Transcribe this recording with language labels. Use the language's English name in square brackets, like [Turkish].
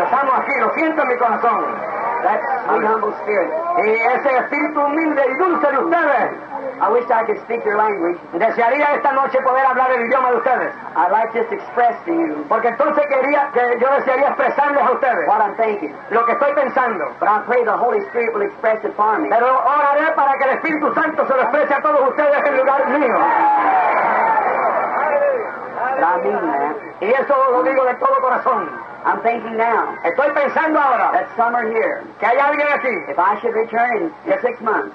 [Spanish] Los amo aquí, lo siento en mi corazón. [English] That's sweet, humble spirit. I wish I could speak your language. [Spanish] Desearía esta noche poder hablar el idioma de ustedes. [English] I'd like to express to you. [Spanish] Porque entonces quería que yo desearía expresarles a ustedes. [English] What I'm thinking. [Spanish] Lo que estoy pensando. [English] But I pray the Holy Spirit will express it for me. [Spanish] Pero oraré para que el Espíritu Santo se lo exprese a todos ustedes en lugar mío. [English] I mean that. [Spanish] Y eso lo digo de todo corazón. [English] I'm thinking now. [Spanish] Estoy pensando ahora. [English] That summer here. [Spanish] Que hay alguien aquí. [English] If I should return in 6 months.